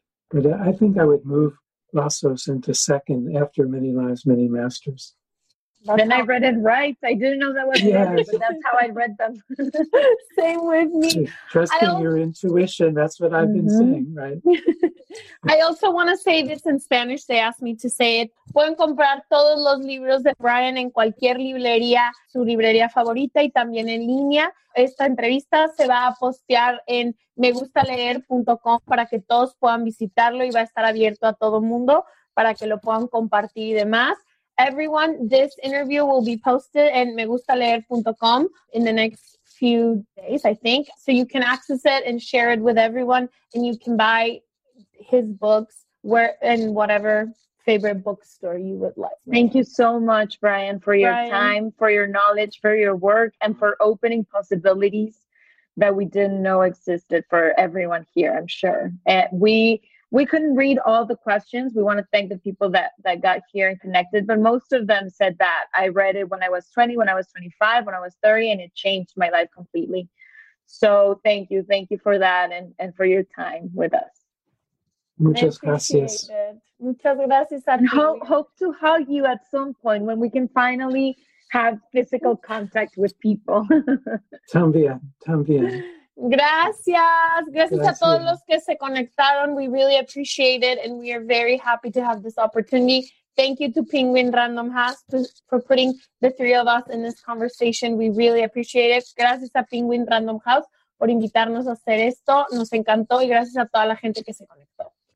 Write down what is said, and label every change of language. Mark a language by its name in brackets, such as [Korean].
[English] But I think I would move Lazos into second after Many Lives, Many Masters. Then I read it right. I didn't know that was it, but that's how I read them. Same with me. Trust in your intuition. That's what I've been saying, right? I also want to say this in Spanish. They asked me to say it. [Spanish] Pueden comprar todos los libros de Brian en cualquier librería, su librería favorita, y también en línea. Esta entrevista se va a postear en megustaleer.com para que todos puedan visitarlo, y va a estar abierto a todo mundo para que lo puedan compartir y demás. [English] Everyone, this interview will be posted in megustaleer.com in the next few days, I think. So you can access it and share it with everyone, and you can buy his books where in whatever favorite bookstore you would like. Thank you so much, Brian, for your time, for your knowledge, for your work, and for opening possibilities that we didn't know existed for everyone here, I'm sure. We couldn't read all the questions. We want to thank the people that got here and connected, but most of them said that I read it when I was 20, when I was 25, when I was 30, and it changed my life completely. So thank you. Thank you for that and for your time with us. [Spanish] Muchas gracias. Muchas gracias. [English] Hope to hug you at some point when we can finally have physical contact with people. [Spanish] También. Gracias. Gracias a todos los que se conectaron. [English] We really appreciate it, and we are very happy to have this opportunity. Thank you to Penguin Random House for putting the three of us in this conversation. We really appreciate it. [Spanish] Gracias a Penguin Random House por invitarnos a hacer esto. Nos encantó, y gracias a toda la gente que se conectó.